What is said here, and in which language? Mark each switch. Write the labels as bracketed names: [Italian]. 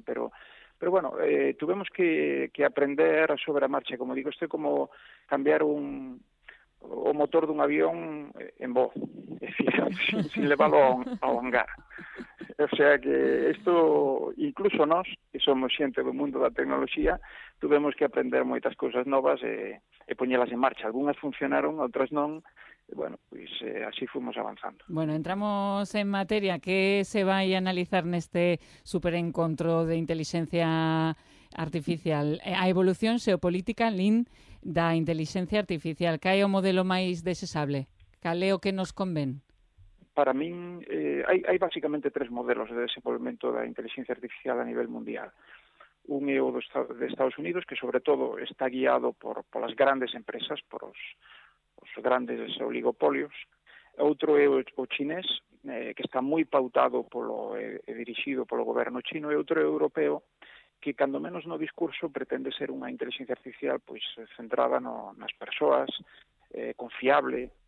[Galician] Pero bueno, tuvemos que aprender sobre a marcha, como digo, isto é como cambiar o motor dun avión en voo, é dicir, sin leválo ao hangar. O sea que isto, incluso nós, que somos xente do mundo da tecnoloxía, tuvemos que aprender moitas cousas novas e poñelas en marcha. Algunhas funcionaron, outras non. [Spanish] Bueno, pues así fuimos avanzando. Bueno, entramos en materia. ¿Qué se va a analizar en este superencontro de inteligencia artificial? [Galician] A evolución xeopolítica lin da inteligencia artificial. ¿Cae o modelo máis desexable? ¿Cale o que nos convén? Para min, hai básicamente tres modelos de desenvolvemento da inteligencia artificial a nivel mundial. Un é o de Estados Unidos, que sobre todo está guiado por as grandes empresas, os grandes oligopolios. Outro é o chinés, que está moi pautado e dirixido polo goberno chino, e outro é o europeo, que cando menos no discurso pretende ser unha inteligencia artificial pois centrada nas persoas, confiable.